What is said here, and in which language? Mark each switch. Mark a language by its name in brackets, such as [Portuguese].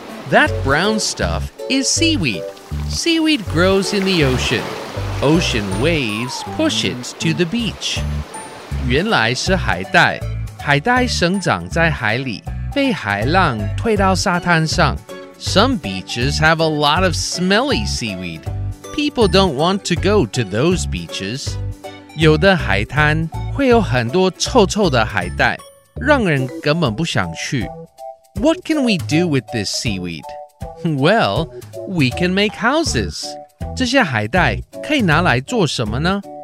[English] That brown stuff is seaweed. Seaweed grows in the ocean. Ocean waves push it to the beach. [Chinese] 原来是海带，海带生长在海里，被海浪推到沙滩上。 [English] Some beaches have a lot of smelly seaweed. People don't want to go to those beaches. [Chinese] 有的海滩会有很多臭臭的海带，让人根本不想去。 [English] What can we do with this seaweed? Well, we can make houses. [Chinese] 这些海带可以拿来做什么呢？